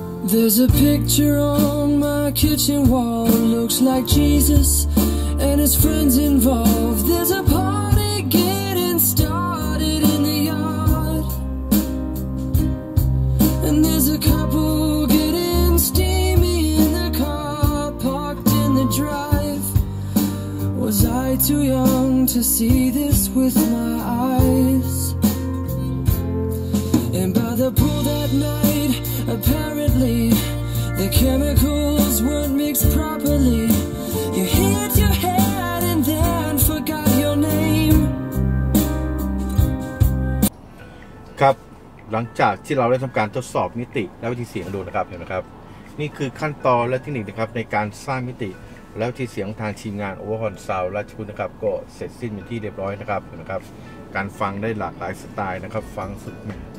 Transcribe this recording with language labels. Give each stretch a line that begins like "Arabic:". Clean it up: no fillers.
English: There's a picture on my kitchen wall. It looks like Jesus and his friends involved. There's a party getting started in the yard. And there's a couple getting steamy in the car parked in the drive. Was I too young to see this with my eyes? And by the pool that night, apparently. The chemicals weren't mixed properly. You hit your head and then forgot your name.
Thai: ครับหลังจากที่เราได้ทำการทดสอบมิติและวิธีเสียงดูนะครับเห็นไหมครับนี่คือขั้นตอนและเทคนิคนะครับในการสร้างมิติและวิธีเสียงของทางทีมงานโอเวอร์ฮอนซาวด์ราชพฤกษ์นะครับก็เสร็จสิ้นเป็นที่เรียบร้อยนะครับเห็นไหมครับการฟังได้หลากหลายสไตล์นะครับฟังสุดแหม